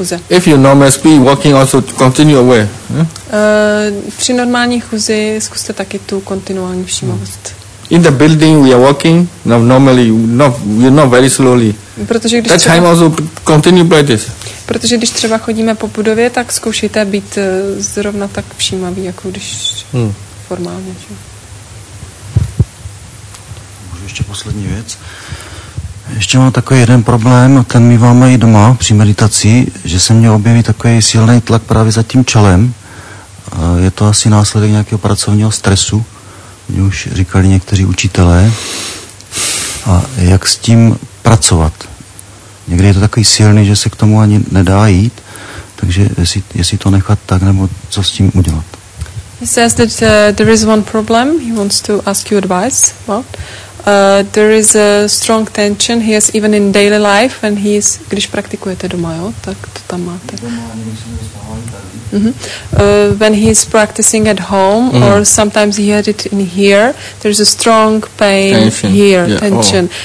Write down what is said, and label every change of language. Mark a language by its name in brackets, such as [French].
[English] If you normal speed walking, also continue away. Yeah? [Czech] Při normální chůzi zkuste taky tu kontinuální všímavost. [English] In the building we are walking, no, normally not very slowly. [Czech] Protože když [English] that třeba, time also continue like this. [Czech] Protože když třeba chodíme po budově, tak zkoušejte být zrovna tak všímavý, jako když formálně. Že? Můžu ještě poslední věc. Ještě mám takový jeden problém, ten mi vám mají doma při meditaci, že se mě objeví takový silný tlak právě za tím čelem. Je to asi následek nějakého pracovního stresu, mě už říkali někteří učitelé. A jak s tím pracovat? Někdy je to takový silný, že se k tomu ani nedá jít, takže jestli to nechat tak, nebo co s tím udělat? [English] He says that there is one problem, he wants to ask you advice about. There is a strong tension, he has even in daily life, when he is, [Czech] když praktikujete doma, jo, tak to tam máte. [English] When he is practicing at home, or sometimes he had it in here, there is a strong pain tension. Oh.